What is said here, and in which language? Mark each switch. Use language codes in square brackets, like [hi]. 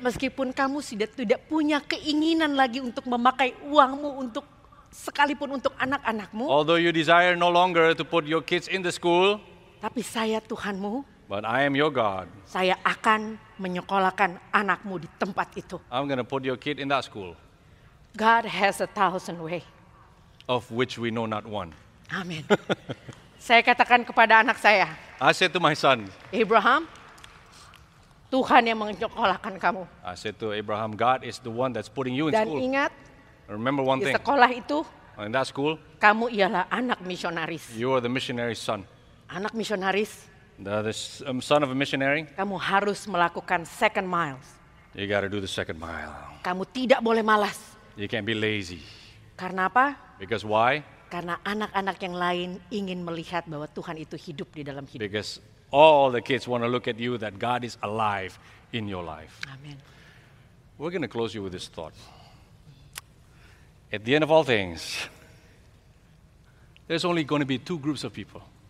[id] Meskipun kamu sudah tidak punya keinginan lagi untuk memakai uangmu untuk sekalipun untuk anak-anakmu. [en] Although you desire no longer to put your kids in the school. [id] Tapi saya Tuhanmu. [en] But I am your God. [id] Saya akan menyekolahkan anakmu di tempat itu. [en] I'm going to put your kid in that school. God has a thousand way. Of which we know not one. Amen. [id] Saya katakan kepada anak saya. [en] I said to my son. [id] Abraham, Tuhan yang menyekolahkan kamu. [en] I said to Abraham, God is the one that's putting you in [id] Dan [en] school. [id] Dan ingat. [en] Remember one [id] di [en] thing. [id] Di sekolah itu. [en] In that school. [id] Kamu ialah anak misionaris. [en] You are the missionary's son. [id] Anak misionaris. [en] The son of a missionary. [id] Kamu harus melakukan [en] second miles. You gotta do the second mile. [id] Kamu tidak boleh malas. [en] You can't be lazy. [id] Karena apa? [en] Because why? [id] Karena anak-anak yang lain ingin melihat bahwa Tuhan itu hidup di dalam hidup. [en] Because all the kids want to look at you that God is alive in your life. Amen. We're gonna close you with this thought. At the end of all things, there's only gonna be two groups of people.